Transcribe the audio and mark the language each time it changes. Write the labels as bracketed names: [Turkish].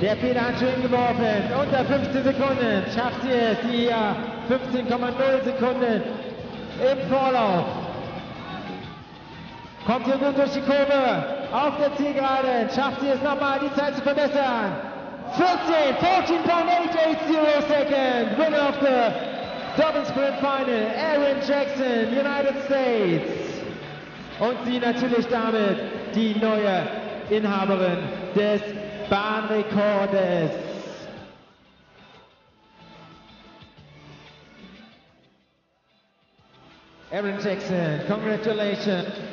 [German] Der Feder hat schön geworfen. Unter 15 Sekunden schafft sie es. Die 15,0 Sekunden im Vorlauf. Kommt hier gut durch die Kurve. Auf der Zielgerade schafft sie es nochmal, die Zeit zu verbessern. [English] 14.880 Seconds. Winner of the Double Sprint Final, Aaron Jackson, United States. [German] Und sie natürlich damit die neue Inhaberin des Bahnrekordes. [English] Aaron Jackson, congratulations.